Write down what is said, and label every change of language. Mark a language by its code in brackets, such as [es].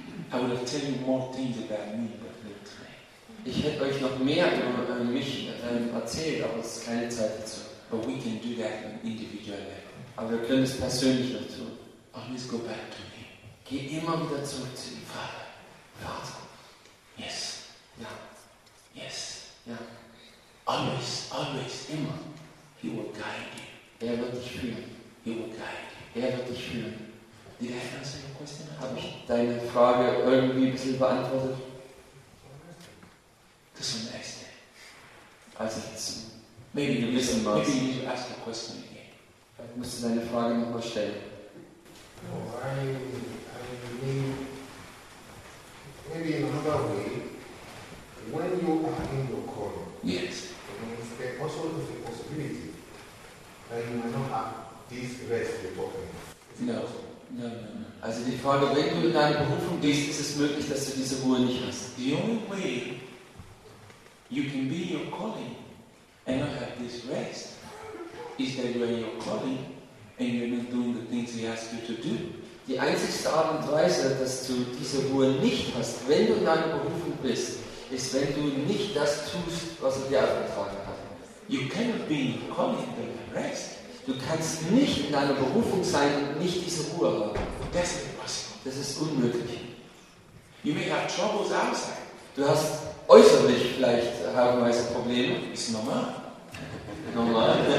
[en] I would have told you more things about me, but no time. [de] Ich hätte euch noch mehr über mich erzählt, aber es ist keine Zeit dazu. [en] But we can do that on individual level. [de] Aber wir können es persönlich noch tun. [en] Always go back to me. [de] Geh immer wieder zurück zu dem Vater. Vater. [en] Yes. [de] Ja. [en] Yes. [de] Ja. [en] Always, always, immer. He will guide you. [de] Er wird dich führen. [en] He will guide you. [de] Er wird dich führen. [en] Did I answer your question? [de] Habe ich deine Frage irgendwie ein bisschen beantwortet? [en] To some extent. [de] Also jetzt. [en] Maybe you listen more. Maybe you need to ask the question again. [de] Vielleicht musst du deine Frage nochmal stellen. [en] Oh, I mean, maybe in another way, when you are in your calling, yes, there also is a possibility that you might not have this rest you're talking about. No. [de] Also die Frage, wenn du in deiner Berufung bist, ist es möglich, dass du diese Ruhe nicht hast? [en] The only way you can be in your calling and not have this rest is that you are in your calling and you're not doing the things he asked you to do. [de] Die einzigste Art und Weise, dass du diese Ruhe nicht hast, wenn du in deiner Berufung bist, ist, wenn du nicht das tust, was er dir anbefohlen hat. [en] You cannot be in your calling and rest. [de] Du kannst nicht in deiner Berufung sein und nicht diese Ruhe haben. [en] That's impossible. [de] Das ist unmöglich. [en] You may have troubles outside. [de] Du hast äußerlich vielleicht haufenweise Probleme. Ist normal. Normal.